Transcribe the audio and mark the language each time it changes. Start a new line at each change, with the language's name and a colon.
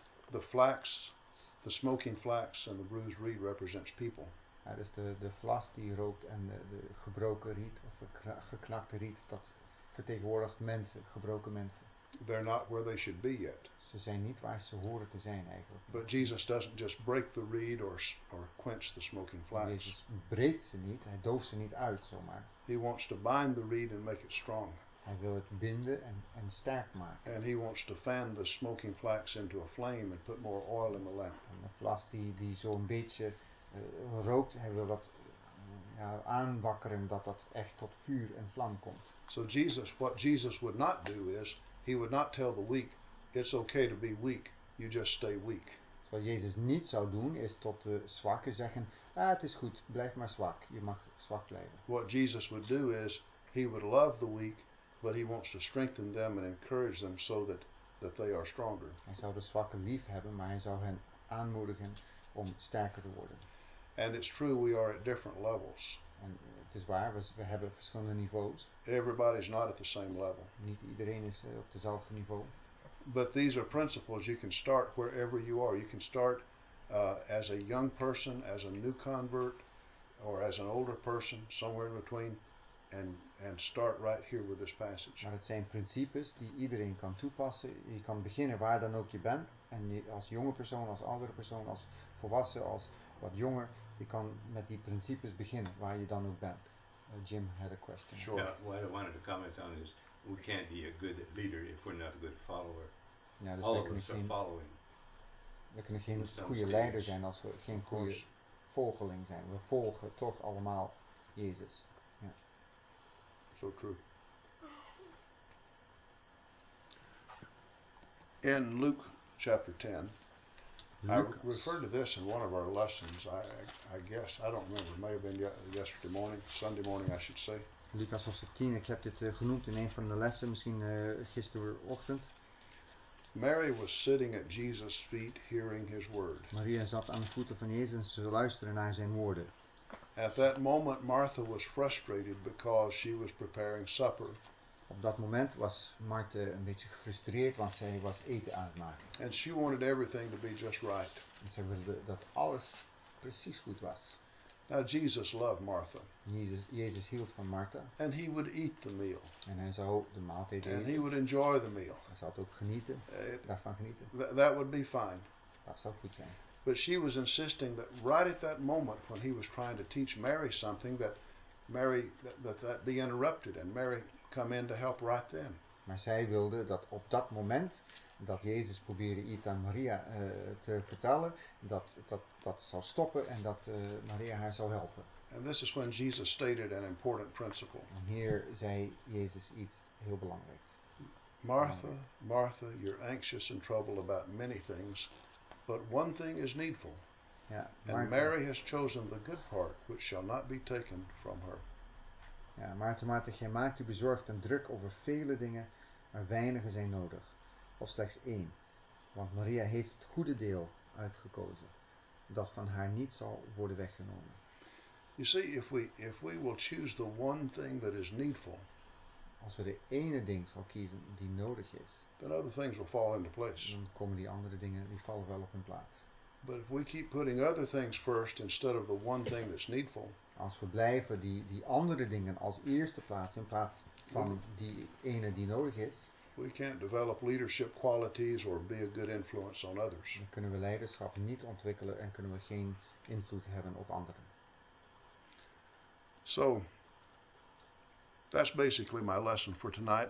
English: The flax, the smoking flax and the bruised reed represents people.
Dutch: Ja, dus de flas die rookt en de gebroken riet of geknakte riet, dat vertegenwoordigt mensen, gebroken mensen.
English: They're not where they should be yet.
Dutch: Ze zijn niet waar ze horen te zijn eigenlijk.
English: But Jesus doesn't just break the reed or quench the smoking flax.
Dutch: Jezus breekt ze niet, hij dooft ze niet uit zomaar.
English: He wants to bind the reed and make it strong.
Dutch: Hij wil het binden en sterk maken.
English: And he wants to fan the smoking flax into a flame and put more oil in the lamp.
Dutch: En de flas die zo'n beetje rookt, hij wil dat aanwakkeren, dat echt tot vuur en vlam komt.
English: So Jesus, what Jesus would not do is, he would not tell the weak, it's okay to be weak, you just stay weak.
Dutch: Wat Jezus niet zou doen is tot de zwakke zeggen, het is goed, blijf maar zwak, je mag zwak blijven.
English: What Jesus would do is, he would love the weak, but he wants to strengthen them and encourage them so that they are stronger.
Dutch: Hij zou de zwakke lief hebben, maar hij zou hen aanmoedigen om sterker te worden.
English: And it's true, we are at different levels.
Dutch: En het is waar, we hebben verschillende niveaus.
English: Everybody's not at the same level.
Dutch: Niet iedereen is op dezelfde niveau.
English: But these are principles you can start wherever you are. You can start as a young person, as a new convert, or as an older person, somewhere in between, and start right here with this passage.
Dutch: Maar het zijn principes die iedereen kan toepassen. Je kan beginnen waar dan ook je bent. En je, als jonge persoon, als oudere persoon, als volwassen, als wat jonger, je kan met die principes beginnen waar je dan ook bent.
English: Jim had a question. Sure. Yeah, what I wanted to comment on is, we can't be a good leader if we're not a good follower.
Dutch: Ja, dus
English: all of us are following.
Dutch: We kunnen geen goede leider zijn als we geen goede volgeling zijn. We volgen toch allemaal Jezus. Ja.
English: So true. In Luke chapter 10,
Dutch: Lucas.
English: I referred to this in one of our lessons, I guess, I don't remember, it may have been yesterday morning, Sunday morning I should say.
Dutch: Lucas hoofdstuk 10, ik heb dit genoemd in een van de lessen, misschien gisterochtend.
English: Mary was sitting at Jesus' feet hearing his word.
Dutch: Maria zat aan de voeten van Jezus en ze luisterde naar zijn woorden.
English: At that moment Martha was frustrated because she was preparing supper.
Dutch: Op dat moment was Martha een beetje gefrustreerd, want zij was eten aan het maken.
English: And she wanted everything to be just right.
Dutch: En zij wilde dat alles precies goed was.
English: Now Jesus loved Martha.
Dutch: Jezus hield van Martha.
English: And he would eat the meal.
Dutch: En hij zou de maaltijd eten.
English: And he would enjoy the meal.
Dutch: Hij zou het ook genieten. Daarvan genieten.
English: That would be fine.
Dutch: Dat zou goed zijn.
English: But she was insisting that right at that moment when he was trying to teach Mary something, that Mary that be interrupted and Mary come in to help right then.
Dutch: Maar zij wilde dat op dat moment dat Jezus probeerde iets aan Maria te vertellen, dat zou stoppen en dat Maria haar zou helpen.
English: And this is when Jesus stated an important principle.
Dutch: En hier zei Jezus iets heel belangrijks.
English: Martha, Martha, you're anxious and troubled about many things, but one thing is needful.
Dutch: Ja,
English: and Mary has chosen the good part which shall not be taken from her.
Dutch: Ja, Maarten, jij maakt u bezorgd en druk over vele dingen, maar weinige zijn nodig. Of slechts één, want Maria heeft het goede deel uitgekozen, dat van haar niet zal worden weggenomen.
English: You see, if we will choose the one thing that is needful,
Dutch: als we de ene ding zal kiezen die nodig is,
English: then other things will fall into place.
Dutch: Dan komen die andere dingen, die vallen wel op hun plaats.
English: But if we keep putting other things first instead of the one thing that's needful,
Dutch: als we blijven die andere dingen als eerste plaatsen in plaats van die ene die nodig is,
English: we can't develop leadership qualities or be a good influence on others.
Dutch: Dan kunnen we leiderschap niet ontwikkelen en kunnen we geen invloed hebben op anderen.
English: So, that's basically my lesson for tonight.